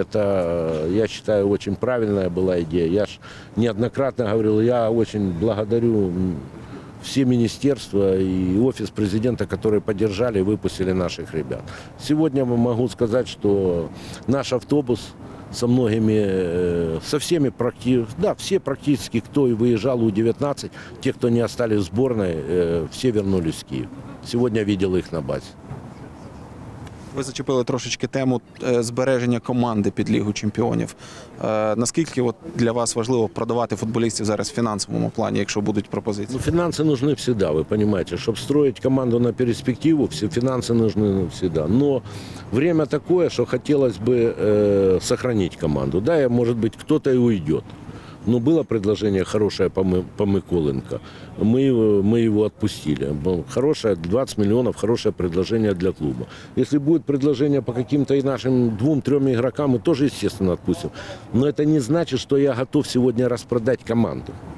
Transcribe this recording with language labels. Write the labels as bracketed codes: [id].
[ru] Это, я считаю, очень правильная была идея. Я ж неоднократно говорил, я очень благодарю все министерства и офис президента, которые поддержали и выпустили наших ребят. Сегодня могу сказать, что наш автобус со многими, со всеми практически, да, все практически, кто и выезжал у 19, те, кто не остались в сборной, все вернулись в Киев. Сегодня видел их на базе. [uk] Ви зачепили трошечки тему збереження команди під Лігу чемпіонів. Наскільки от для вас важливо продавати футболістів зараз в фінансовому плані, якщо будуть пропозиції? Ну, фінанси нужны завжди, ви розумієте. Щоб строїти команду на перспективу, фінанси нужны завжди. [ru] Но время такое, [uk] що хотілося б сохранити команду. Да, може бути, хтось і уйде. [ru] Ну, было предложение хорошее по Миколенко. Мы его отпустили. Хорошее, 20 миллионов, хорошее предложение для клуба. Если будет предложение по каким-то и нашим двум-трем игрокам, мы тоже, естественно, отпустим. Но это не значит, что я готов сегодня распродать команду.